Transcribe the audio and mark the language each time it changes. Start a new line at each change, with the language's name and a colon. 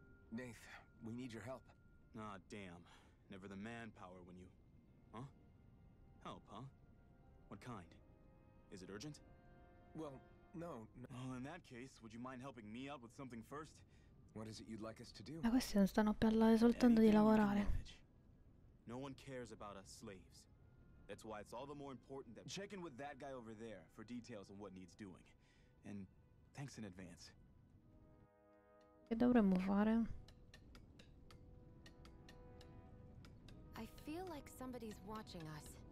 English: Nath, we need your help. Ah, damn. Never the manpower when you... Huh? Help, huh? What kind? Is it urgent? Well, no, no. Well, in that case, would you mind helping me out with something first? What is it you'd like us to do?
Italian: Ma questi non stanno parlando soltanto di lavorare.
English: No one cares about us slaves. That's why it's all the more important that... Check in with that guy over there for details on what needs doing. And thanks in advance.
Italian: Che dovremmo fare?
English: I feel like somebody's watching us.